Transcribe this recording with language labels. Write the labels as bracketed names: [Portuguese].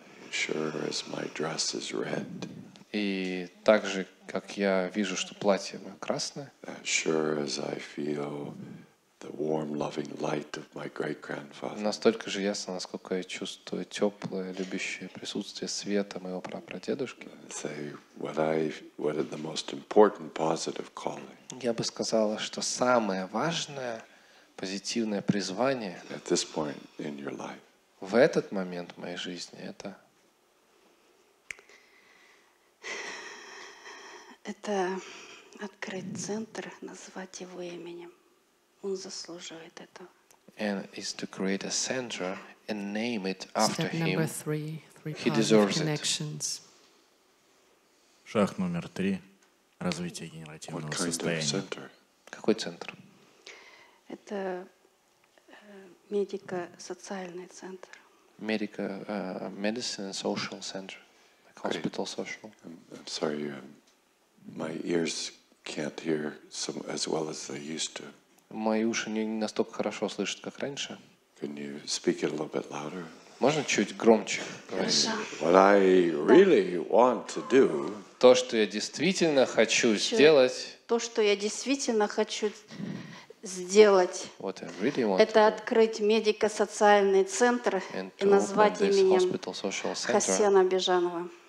[English] Sure, as my dress is red. [Russian] И так же, как я вижу, что платье красное. [English] Sure, as I feel the warm, loving light of my great-grandfather. [Russian] Настолько же ясно, насколько я чувствую теплое, любящее присутствие света моего прапрадедушки. [English] Say what is the most important positive calling? [Russian] Я бы сказала, что самое важное позитивное призвание. [English] At this point in your life. [Russian] В этот момент моей жизни это. Это открыть центр, назвать его именем. Он заслуживает этого. [English] And is to create a center and name it after him. Step number three. He deserves connections. [Russian] Шаг номер три. Развитие генеративного состояния. Какой центр? Это медико-социальный центр. [English] Медико, medicine and social center. Like hospital social. I'm sorry, my ears can't hear so as well as they used to. [Russian] Мои уши не настолько хорошо слышат, как раньше. [English] Can you speak it a little bit louder? [Russian] Можно чуть громче? [English] What I really want to do. [Russian] То, что я действительно хочу сделать. То, что я действительно хочу сделать. [English] Really [Russian] это открыть медико-социальный центр и назвать именем Хасена Бижанова.